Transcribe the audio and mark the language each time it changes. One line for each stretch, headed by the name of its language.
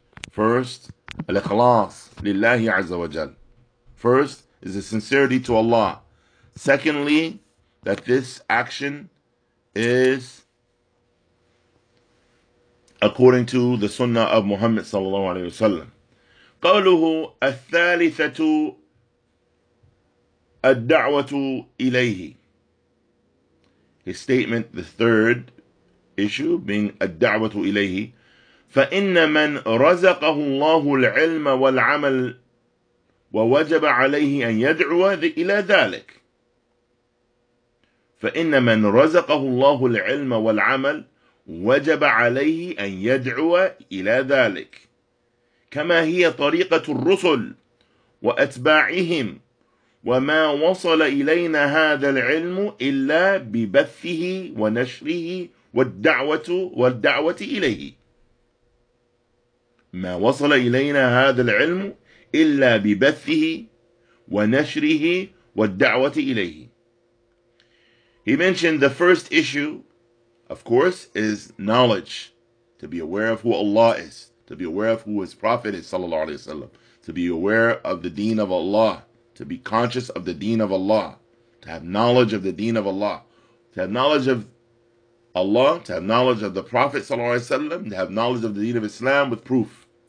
Arabic: First, الإخلاص لله عز وجل.
English: First is the sincerity to Allah. Secondly, that this action is according to the sunnah of Muhammad صلى الله عليه وسلم.
Arabic: قوله الثالثة الدعوة إليه.
English: His statement, the third issue being
Arabic: الدعوة إليه. فإن من رزقه الله العلم والعمل ووجب عليه أن يدعو إلى ذلك. فإن من رزقه الله العلم والعمل وجب عليه أن يدعو إلى ذلك، كما هي طريقة الرسل وأتباعهم، وما وصل إلينا هذا العلم إلا ببثه ونشره والدعوة إليه. ما وصل إلينا هذا العلم إلا ببثه ونشره والدعوة إليه.
English: He mentioned the first issue, of course, is knowledge, to be aware of who Allah is, to be aware of who His Prophet is, sallallahu alaihi wasallam, to be aware of the Deen of Allah, to be conscious of the Deen of Allah, to have knowledge of the Deen of Allah, to have knowledge of Allah, to have knowledge of the Prophet sallallahu alaihi wasallam, to have knowledge of the Deen of Islam with proof.